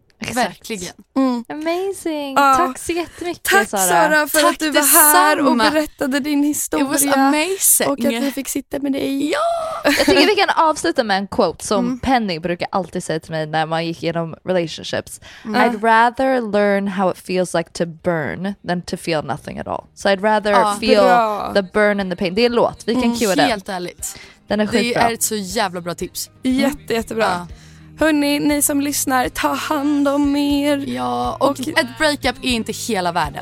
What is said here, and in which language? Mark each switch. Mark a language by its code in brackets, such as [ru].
[sv] Exakt. Verkligen. Mm. Amazing. Ah. Tack så jättemycket, tack, Sara. Tack, Sara, för tack att du var detsamma. Här och berättade din historia. [en] It was amazing. [sv] Och att vi fick sitta med dig. Ja! Jag tycker vi kan avsluta med en quote som Penny brukar alltid säga till mig när man gick igenom relationships. Mm. [en] I'd rather learn how it feels like to burn than to feel nothing at all. So I'd rather feel the burn and the pain. [sv] Det är en låt. Vi kan cue den. Helt ärligt. Den är skitbra. Det är ett så jävla bra tips. Jätte, jättebra. Ja. Hörrni, ni som lyssnar, ta hand om er. Ja, och ett breakup är inte hela världen.